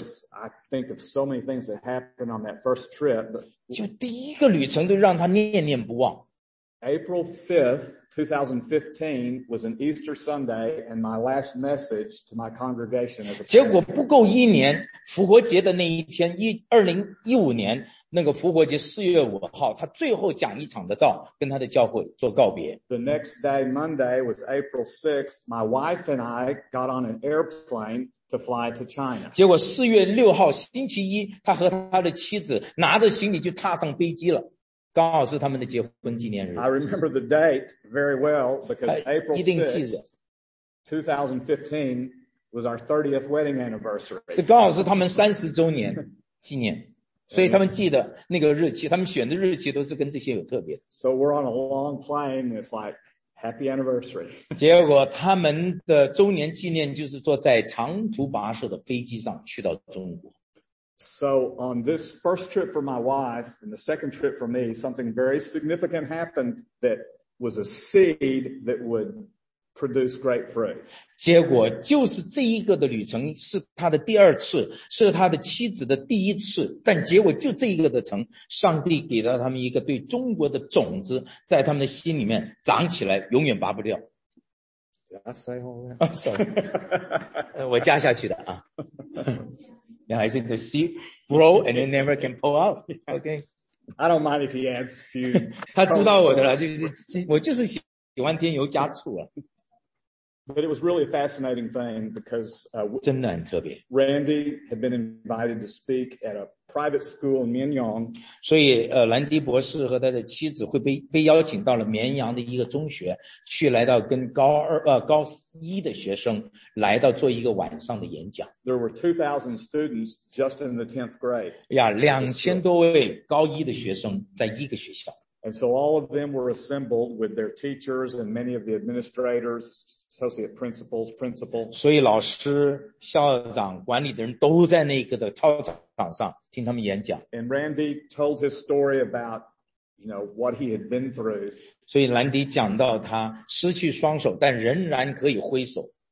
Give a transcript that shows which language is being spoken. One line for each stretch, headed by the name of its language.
English: So there's, I think of so many things that happened on that first trip.
Chinese: 就第一个旅程都让他念念不忘。
English: April 5th, 2015 was an Easter Sunday and my last message to my congregation as a pastor.
Chinese: 结果不够一年，复活节的那一天，2015年那个复活节4月5号，他最后讲一场的道，跟他的教会做告别。
English: The next day, Monday, was April 6th. My wife and I got on an airplane to fly to China.
Chinese: 结果4月6号星期一，他和他的妻子拿着行李就踏上飞机了。刚好是他们的结婚纪念日。
English: I remember the date very well because April 6th, 2015 was our 30th wedding anniversary.
Chinese: 是刚好是他们30周年纪念，所以他们记得那个日期，他们选的日期都是跟这些有特别的。
English: So we're on a long plane. It's like happy anniversary.
Chinese: 结果他们的周年纪念就是坐在长途跋涉的飞机上去到中国。
English: So on this first trip for my wife and the second trip for me, something very significant happened that was a seed that would produce great fruit.
Chinese: 结果就是这一个的旅程是他的第二次，是他的妻子的第一次，但结果就这一个的成，上帝给了他们一个对中国的种子，在他们的心里面长起来，永远拔不掉。
English: Did I say all that? Oh, sorry.
Chinese: 我加下去的啊。
English: Yeah, I think the seed grow and it never can pull out. Okay. I don't mind if he adds a few.
Chinese: 他知道我的了，就是我就是喜欢添油加醋啊。
English: But it was really a fascinating thing because,
Chinese: 真的很特别。
English: Randy had been invited to speak at a private school in Mianyang.
Chinese: 所以兰迪博士和他的妻子会被邀请到了绵阳的一个中学，去来到跟高一的学生来到做一个晚上的演讲。
English: There were 2,000 students just in the 10th grade.
Chinese: 呀，2000多位高一的学生在一个学校。
English: And so all of them were assembled with their teachers and many of the administrators, associate principals, principal.
Chinese: 所以老师、校长、管理的人都在那个的操场上听他们演讲。
English: And Randy told his story about, you know, what he had been through.
Chinese: 所以兰迪讲到他失去双手，但仍然可以挥手。